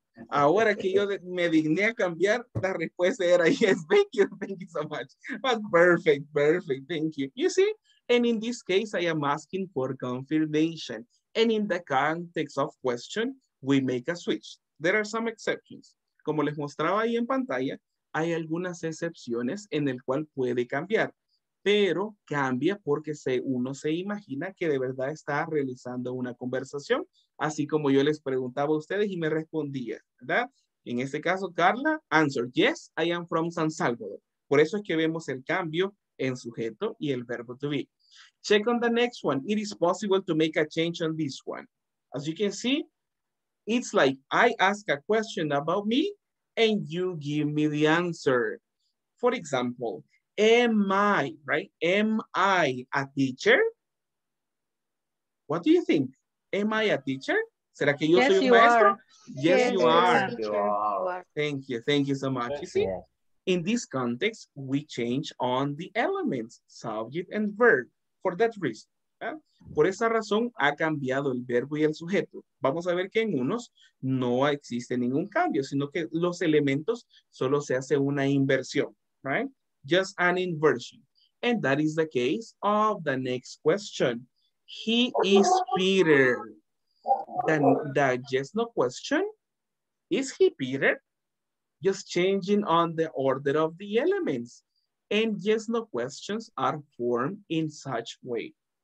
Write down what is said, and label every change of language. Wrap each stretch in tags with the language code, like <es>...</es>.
<es>Ahora que yo me digné a cambiar, la respuesta era yes.</es> <en>Thank you so much. But perfect. Thank you. You see? And in this case, I am asking for confirmation. And in the context of question, we make a switch. There are some exceptions.</en> <es>Como les mostraba ahí en pantalla, hay algunas excepciones en el cual puede cambiar, pero cambia porque uno se imagina que de verdad está realizando una conversación, así como yo les preguntaba a ustedes y me respondía, ¿verdad? En este caso,</es> <en>Carla, answer, yes, I am from San Salvador.</en> <es>Por eso es que vemos el cambio en sujeto y el verbo to be.</es> <en>Check on the next one. It is possible to make a change on this one. As you can see, it's like I ask a question about me and you give me the answer. For example, am I, right? Am I a teacher? What do you think? Am I a teacher?</en> <es>¿Será que yo soy un maestro?</es> <en>Yes, you are. Thank you so much. You see, in this context, we change on the elements, subject and verb, for that reason.</en> <es>Por esa razón ha cambiado el verbo y el sujeto. Vamos a ver que en unos no existe ningún cambio, sino que los elementos solo se hace una inversión, right?</es> <en>Just an inversion. And that is the case of the next question. He is Peter. The yes no question. Is he Peter? Just changing on the order of the elements. And yes no questions are formed in such way.</en>